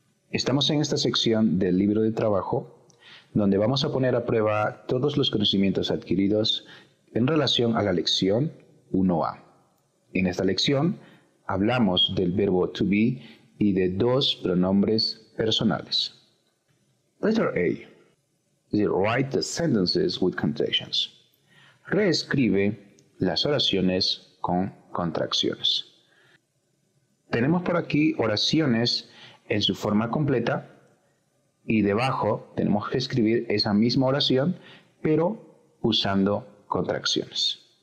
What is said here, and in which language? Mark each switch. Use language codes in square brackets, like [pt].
[es] Estamos en esta sección del libro de trabajo donde vamos a poner a prueba todos los conocimientos adquiridos en relación a la lección 1A. En esta lección hablamos del verbo to be y de dos pronombres personales. [en] Letter A. Write the sentences with contractions. [es] Reescribe las oraciones con contracciones. Tenemos por aquí oraciones en su forma completa y debajo tenemos que escribir esa misma oración, pero usando contracciones.